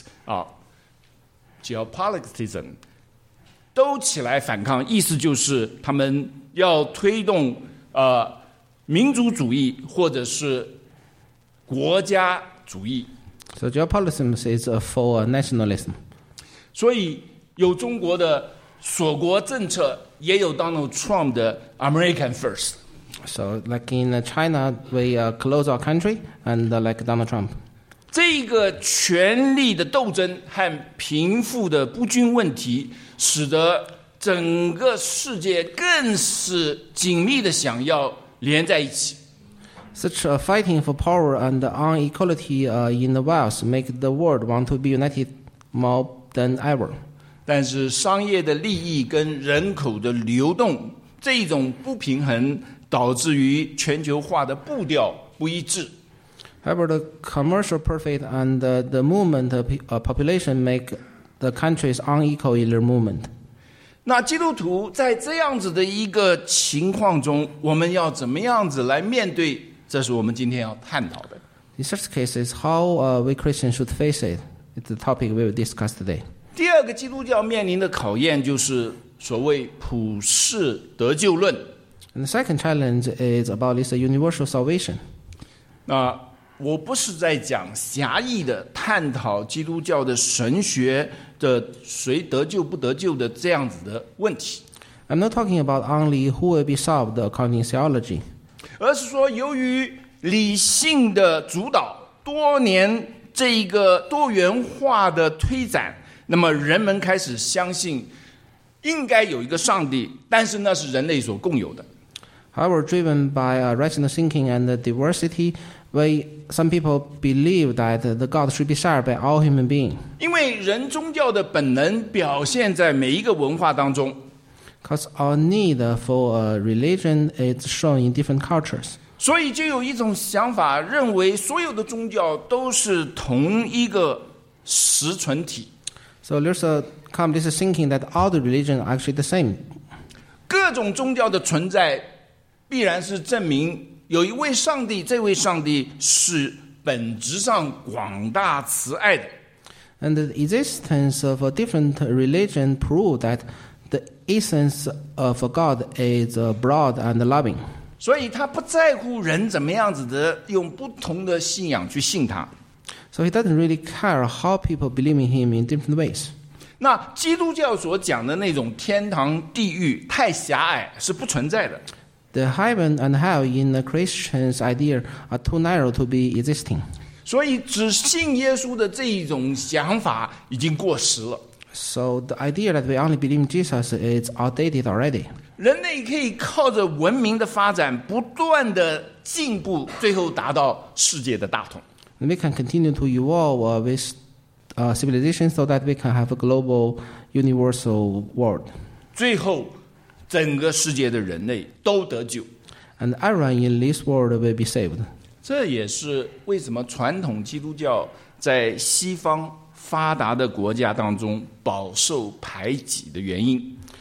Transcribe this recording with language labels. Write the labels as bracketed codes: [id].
[en] Geopolitics, geopoliticism, [zh] 都起来反抗，意思就是他们要推动民族主义或者是国家主义。 [en] So geopolitism is for nationalism. [zh] 所以有中国的锁国政策，也有 Donald Trump 的 [en] American First. So, like in China, we close our country, and like Donald Trump. [zh] 这个权力的斗争和贫富的不均问题，使得整个世界更是紧密的想要连在一起。 [en] Such a fighting for power and inequality in the wealth make the world want to be united more than ever. [zh] 但是商业的利益跟人口的流动，这种不平衡导致于全球化的步调不一致。 [en] However, the commercial profit and the movement of population make the countries unequal in their movement. [zh] 那基督徒在这样子的一个情况中，我们要怎么样子来面对？这是我们今天要探讨的。 [en] In such cases, how we Christians should face it? It's the topic we will discuss today. [zh] 第二个基督教面临的考验就是所谓普世得救论。 [en] And the second challenge is about this universal salvation. [zh] 那我不是在讲狭义的探讨基督教的神学的谁得救不得救的这样子的问题。 [en] I'm not talking about only who will be saved according to theology. [zh] 而是说由于理性的主导，多年这一个多元化的推展，那么人们开始相信应该有一个上帝，但是那是人类所共有的。 [en] However, driven by rational thinking and diversity, some people believe that the God should be shared by all human beings. [zh] 因为人宗教的本能表现在每一个文化当中。 [en] Because our need for a religion is shown in different cultures. [zh] 所以就有一种想法，认为所有的宗教都是同一个实存体。 [en] So there's a complex thinking that all the religions are actually the same. [zh] 各种宗教的存在必然是证明有一位上帝，这位上帝是本质上广大慈爱的。 [en] And the existence of a different religion proves that the essence of God is broad and loving. [zh] 所以他不在乎人怎么样子的用不同的信仰去信他。 [en] So he doesn't really care how people believe in him in different ways. [zh] 那基督教所讲的那种天堂地狱太狭隘，是不存在的。 [en] The heaven and hell in the Christian's idea are too narrow to be existing. [zh] 所以只信耶稣的这一种想法已经过时了。 [en] So the idea that we only believe in Jesus is outdated already. [zh] 人类可以靠着文明的发展不断的进步，最后达到世界的大同。 [en] We can continue to evolve civilization so that we can have a global universal world. [zh] 最后，整个世界的人类都得救。 [en] And everyone in this world will be saved. [zh] 这也是为什么传统基督教在西方发达的国家当中饱受排挤的原因。